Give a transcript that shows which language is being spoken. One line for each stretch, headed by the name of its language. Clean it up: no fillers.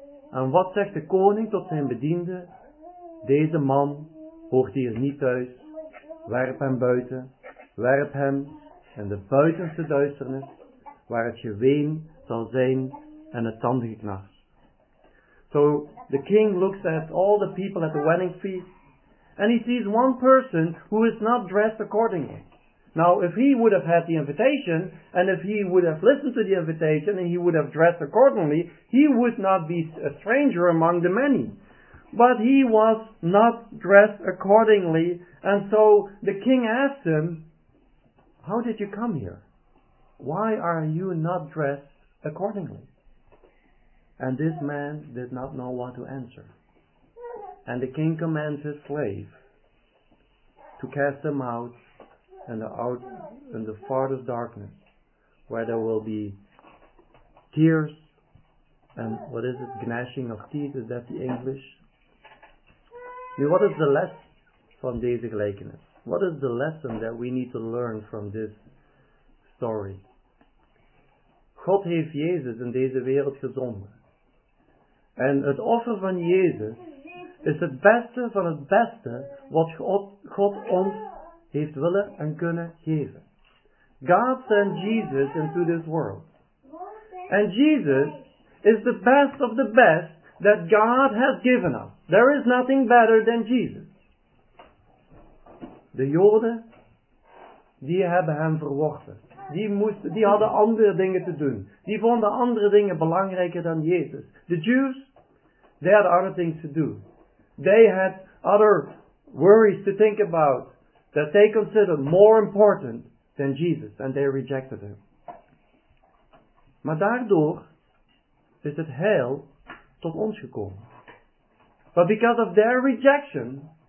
Dutch: En wat zegt de koning tot zijn bediende? Deze man hoort hier niet thuis. Werp hem buiten. Werp hem in de buitenste duisternis, waar het geween zal zijn en het tandengeknars.
English: So the king looks at all the people at the wedding feast, and he sees one person who is not dressed accordingly. Now, if he would have had the invitation, and if he would have listened to the invitation, and he would have dressed accordingly, he would not be a stranger among the many. But he was not dressed accordingly, and so the king asked him, how did you come here? Why are you not dressed accordingly? And this man did not know what to answer. And the king commands his slave to cast them out in the farthest darkness, where there will be tears, and what is it, gnashing of teeth, is that the English? I mean, what is the lesson from
Dutch: deze gelijkenis?
English: What is the lesson that we need to learn from this story?
Dutch: God heeft Jezus in deze wereld gezonden. En het offer van Jezus is het beste van het beste wat God ons heeft willen en kunnen geven.
English: God sent Jesus into this world. And Jesus is the best of the best that God has given us. There is nothing better than Jesus.
Dutch: De Joden, die hebben hem verworpen. Die hadden andere dingen te doen. Die vonden andere dingen belangrijker dan Jezus.
English: The Jews, they had other things to do. They had other worries to think about, that they considered more important than Jesus, and they rejected him.
Dutch: Maar daardoor is het heil tot ons gekomen.
English: But because of their rejection,